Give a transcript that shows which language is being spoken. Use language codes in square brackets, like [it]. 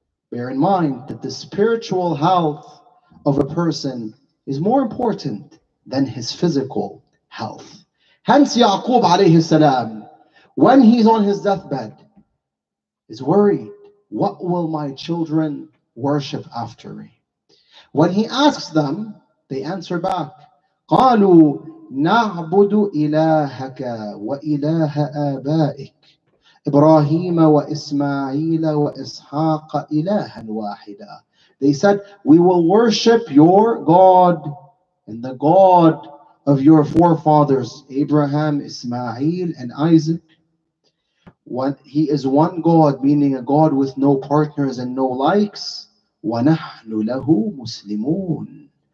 [en] Bear in mind that the spiritual health of a person is more important than his physical health. Hence, Yaqub alayhi salam, when he's on his deathbed, is worried, what will my children worship after me? When he asks them, they answer back, [ar] قَالُوا نَعْبُدُ إِلَٰهَكَ وَإِلَٰهَ آبَائِكَ إِبْرَاهِيمَ وَإِسْمَعِيلَ وَإِسْحَاقَ إِلَٰهًا وَاحِدًا. [en] They said, we will worship your God and the God of your forefathers, Abraham, Ismail, and Isaac. He is one God, meaning a God with no partners and no likes. [ar] وَنَحْنُ لَهُ مُسْلِمُونَ.